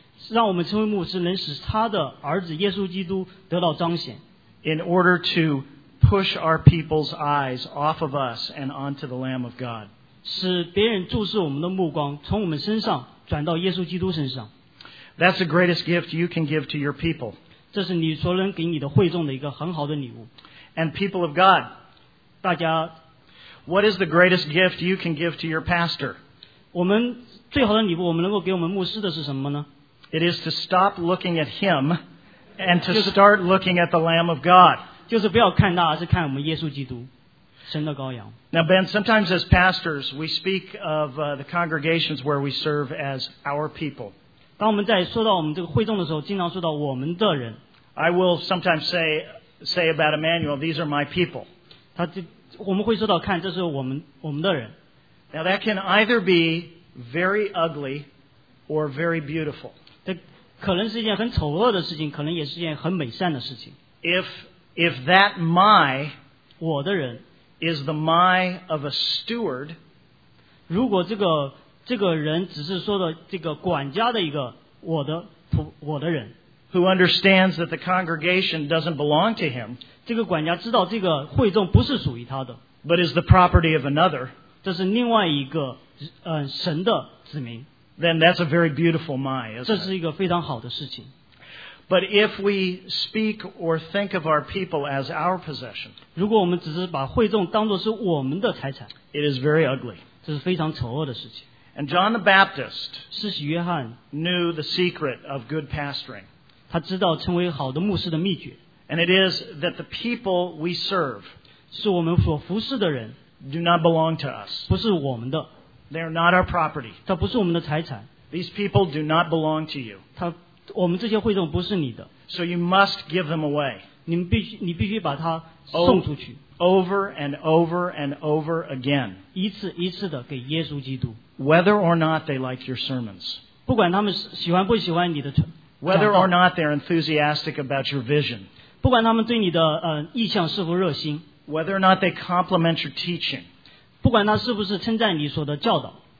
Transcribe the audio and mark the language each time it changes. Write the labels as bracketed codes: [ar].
[zh] 让我们成为牧师，能使他的儿子耶稣基督得到彰显。 [en] In order to push our people's eyes off of us and onto the Lamb of God. [zh] 使别人注视我们的目光，从我们身上转到耶稣基督身上。 [en] That's the greatest gift you can give to your people. [zh] 这是你所能给你的会众的一个很好的礼物。 [en] And people of God. [zh] 大家 [en] What is the greatest gift you can give to your pastor? [zh] 我们最好的礼物我们能够给我们牧师的是什么呢 [en] It is to stop looking at him and to start looking at the Lamb of God. [zh] 就是不要看他而是看我们耶稣基督神的羔羊 [en] Now Ben, sometimes as pastors, we speak of the congregations where we serve as our people. [zh] 当我们在说到我们这个会众的时候经常说到我们的人 [en] I will sometimes say about Emmanuel, these are my people. [zh] 我们会说到看这是我们的人 [en] Now that can either be very ugly or very beautiful. [zh] 这可能是一件很丑恶的事情可能也是一件很美善的事情 [en] If that my [zh] 我的人 [en] is the my of a steward [zh] 如果这个人只是说的这个管家的一个我的人 [en] who understands that the congregation doesn't belong to him [zh] 这个管家知道这个会众不是属于他的 [en] ，but is the property of another。 [zh] 这是另外一个神的子民。 [en] Then that's a very beautiful mind. [zh] 这是一个非常好的事情。 [en] But if we speak or think of our people as our possession， [zh] 如果我们只是把会众当作是我们的财产 [en] ，it is very ugly。 [zh] 这是非常丑恶的事情。 [en] And John the Baptist， [zh] 施洗约翰 [en] knew the secret of good pastoring。 [zh] 他知道成为好的牧师的秘诀。 [en] And it is that the people we serve [zh] 是我们所服侍的人 [en] do not belong to us. [zh] 不是我们的 [en] They are not our property. [zh] 它不是我们的财产 [en] These people do not belong to you. [zh] 我们这些会众不是你的 [en] So you must give them away. [zh] 你必须把它送出去 [en] Over and over and over again. [zh] 一次一次的给耶稣基督 [en] Whether or not they like your sermons. [zh] 不管他们喜欢不喜欢你的 [en] Whether or not they're enthusiastic about your vision. [zh] 不管他们对你的意向是否热心 [en] ，Whether or not they compliment your teaching， [zh] 不管他是不是称赞你所的教导